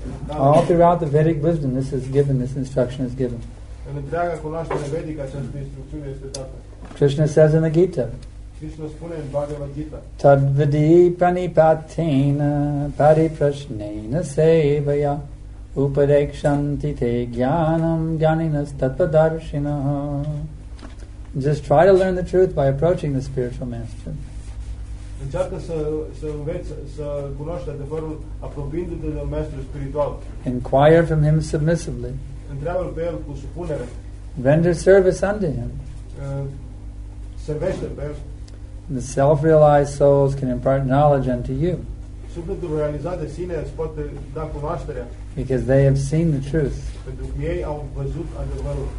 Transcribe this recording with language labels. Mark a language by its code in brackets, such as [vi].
[en] All throughout the Vedic wisdom, this is given, this instruction is given. [ro] În întreaga cunoaștere vedică, această instrucțiune este dată. [en] Krishna says in the Gita. [ro] Krishna spune în Bhagavad Gita. [sa] Tadvadi pranipatena pariprasnena sevaya upadekshanti te jnanam jnaninas tatvadarshinah. [en] Just try to learn the truth by approaching the spiritual master. [ro] Încearcă să înveți, să cunoști adevărul apropiindu-te de un maestru spiritual. [en] Inquire from him submissively. [ro] Întreabă-l pe el cu supunere. [en] Render service unto him. [ro] Servește-l pe el. [en] The self-realized souls can impart knowledge unto you. [ro] Sufletul realizat de sine îți poate da cunoașterea. [en] Because they have seen the truth. [ro] Pentru că ei au văzut adevărul.